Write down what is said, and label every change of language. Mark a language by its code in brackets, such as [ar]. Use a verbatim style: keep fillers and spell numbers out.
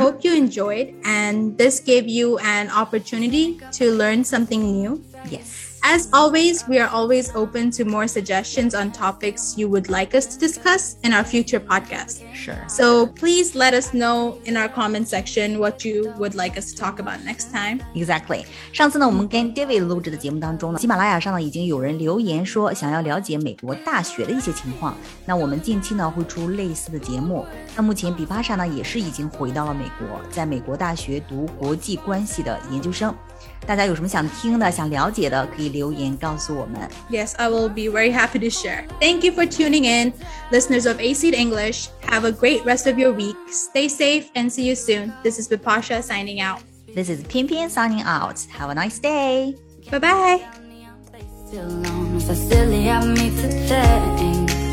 [en] hope you enjoyed and this gave you an opportunity to learn something new. Yes. As always, we are always open to more suggestions on topics you would like us to discuss in our future podcasts. Sure. So please let us know in our comment section what you would like us to talk about next time. Exactly。 [zh] 上次呢，我们跟 David 录制的节目当中呢，喜马拉雅上呢已经有人留言说想要了解美国大学的一些情况。那我们近期呢会出类似的节目。那目前比巴莎呢也是已经回到了美国，在美国大学读国际关系的研究生。大家有什么想听的、想了解的，可以留言告诉我们。 [en] Yes, I will be very happy to share. Thank you for tuning in. Listeners of A C E E D English, have a great rest of your week. Stay safe and see you soon. This is Bipasha signing out. This is 偏偏 signing out. Have a nice day. Bye-bye. Still on, so silly I make the thing.